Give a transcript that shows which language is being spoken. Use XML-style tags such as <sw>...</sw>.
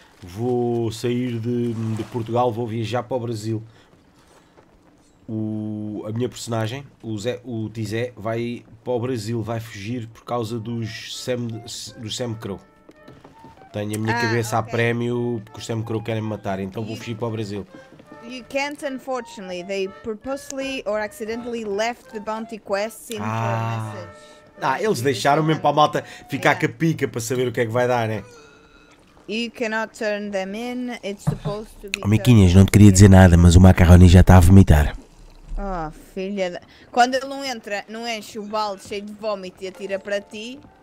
<pt>Vou sair de Portugal, vou viajar para o Brasil. A minha personagem, o Tizé, vai para o Brasil, vai fugir por causa dos Sam Crow. Tenho a minha cabeça okay. A prémio porque os Sam Crow querem me matar, então vou fugir para o Brasil.</pt> <en>You can't, unfortunately. They purposely or accidentally left the bounty quest in for a message.</en> <pt>Ah, eles deixaram mesmo para a malta ficar com a pica para saber o que é que vai dar, né?</pt> <en>You cannot turn them in. It's supposed to be.</en> <pt>Oh, Miquinhas, não te queria dizer nada, mas o macarrone já está a vomitar. Oh, filha da... Quando ele não entra, não enche o balde cheio de vómito e atira para ti.</pt>